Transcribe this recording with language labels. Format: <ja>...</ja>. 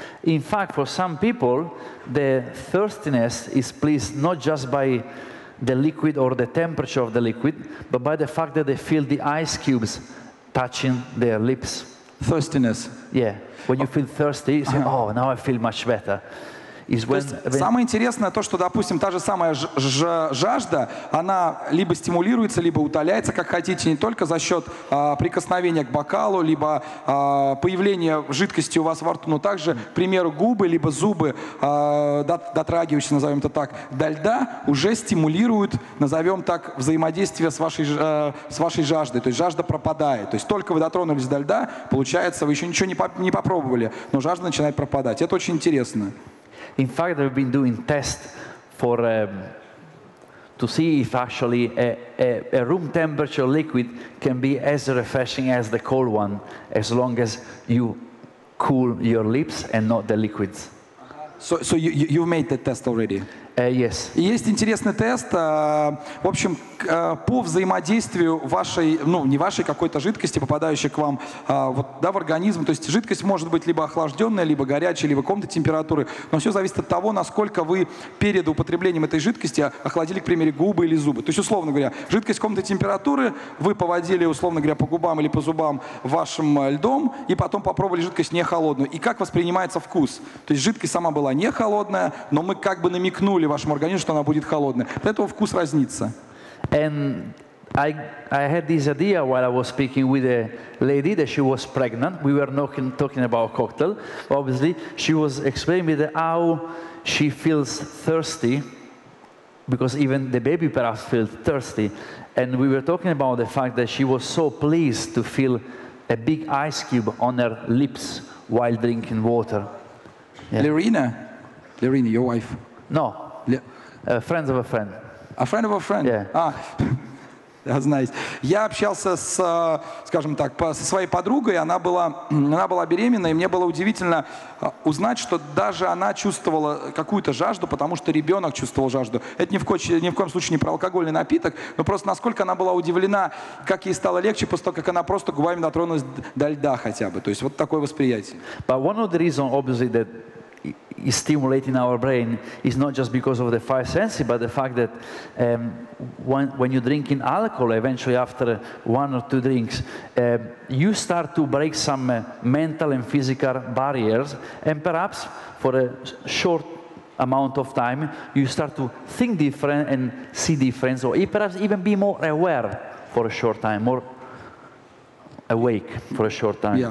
<en>In fact, for some people, the thirstiness is pleased not just by the liquid or the temperature of the liquid, but by the fact that they feel the ice cubes touching their lips. Thirstiness. Yeah. When you feel thirsty, you say, oh, now I feel much better.</en> <ru>Самое интересное то, что, допустим, та же самая жажда, она либо стимулируется, либо утоляется, как хотите, не только за счет прикосновения к бокалу, либо появления жидкости у вас во рту, но также, к примеру, губы, либо зубы, дотрагивающие, назовем это так, до льда, уже стимулируют, назовем так, взаимодействие с вашей жаждой. То есть жажда пропадает. То есть только вы дотронулись до льда, получается, вы еще ничего не попробовали, но жажда начинает пропадать. Это очень интересно.</ru> <en>In fact, they've been doing tests for to see if actually a room temperature liquid can be as refreshing as the cold one, as long as you cool your lips and not the liquids. So you've made the test already? Yes.</en> <ru>Есть интересный тест, в общем, по взаимодействию вашей, ну, не вашей какой-то жидкости, попадающей к вам вот, да, в организм. То есть жидкость может быть либо охлажденная, либо горячая, либо комнатной температуры. Но все зависит от того, насколько вы перед употреблением этой жидкости охладили, к примеру, губы или зубы. То есть, условно говоря, жидкость комнатной температуры, вы поводили, условно говоря, по губам или по зубам вашим льдом, и потом попробовали жидкость не холодную. И как воспринимается вкус? То есть жидкость сама была не холодная, но мы как бы намекнули вашему организму, что она будет холодная. Поэтому вкус разнится.</ru> <en>And I had this idea while I was speaking with a lady that she was pregnant. We were talking about cocktail. Obviously, she was explaining to me how she feels thirsty, because even the baby perhaps felt thirsty. And we were talking about the fact that she was so pleased to feel a big ice cube on her lips while drinking water. Yeah. Lerina? Lerina, your wife? No. Friend of a friend. A friend of a friend? Yeah. That's nice.</en> <ru>Я общался с, скажем так, со своей подругой, она была беременна, и мне было удивительно узнать, что даже она чувствовала какую-то жажду, потому что ребенок чувствовал жажду. Это ни в коем случае не про алкогольный напиток, но просто насколько она была удивлена, как ей стало легче после того, как она просто губами дотронулась до льда хотя бы. То есть вот такое восприятие.</ru> <en>But one of the reasons, obviously, that is stimulating our brain is not just because of the five senses, but the fact that when you're drinking alcohol, eventually after one or two drinks, you start to break some mental and physical barriers, and perhaps for a short amount of time, you start to think different and see different, or perhaps even be more aware for a short time, more awake for a short time.</en>